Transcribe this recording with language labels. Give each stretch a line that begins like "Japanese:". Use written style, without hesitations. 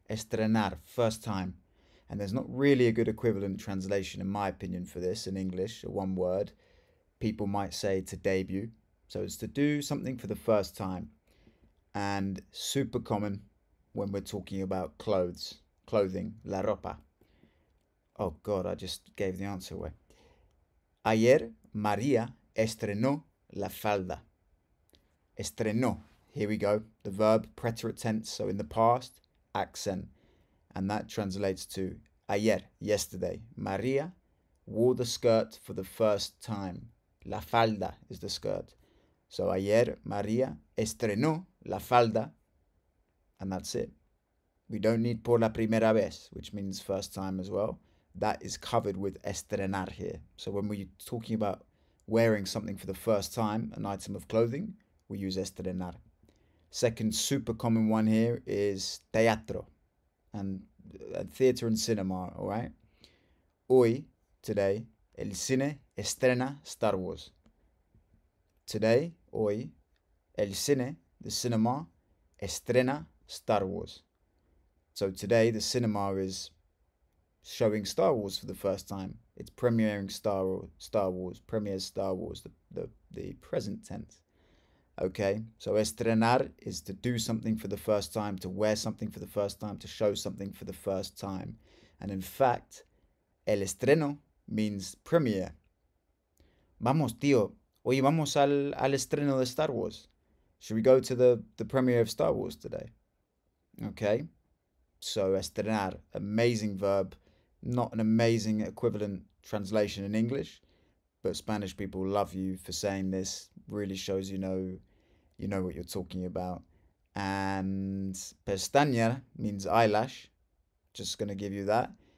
English: Estrenar, first time. And there's not really a good equivalent translation, in my opinion, for this in English, one word. People might say to debut. So it's to do something for the first time. And super common when we're talking about clothes, clothing,
Spanish: la ropa.
English: Oh God, I just gave the answer away.
Spanish: Ayer, María estrenó la falda.
English: Estrenó. Here we go. The verb, preterite tense, so in the past, accent. And that translates to
Spanish: ayer,
English: yesterday. María wore the skirt for the first time.
Spanish: La falda
English: is the skirt. So
Spanish: ayer, María estrenó la falda.
English: And that's it. We don't need
Spanish: por la primera vez,
English: which means first time as well. That is covered with estrenar here. So when we're talking about wearing something for the first time, an item of clothing, we use estrenar. Second super common one here is teatro. And theater and cinema, all right?
Spanish: Hoy,
English: today,
Spanish: el cine estrena Star Wars.
English: Today,
Spanish: hoy, el cine,
English: the cinema,
Spanish: estrena
English: Star Wars. So today, the cinema is showing Star Wars for the first time. It's premiering Star Wars, the present tense. Okay, so estrenar is to do something for the first time, to wear something for the first time, to show something for the first time. And in fact,
Spanish: el estreno
English: means premiere.
Spanish: Vamos, tío, hoy vamos al estreno de Star Wars.
English: Should we go to the premiere of Star Wars today? Okay, so estrenar, amazing verb. Not an amazing equivalent translation in English, but Spanish people love you for saying this. Really shows you know what you're talking about. And pestaña means eyelash. Just going to give you that.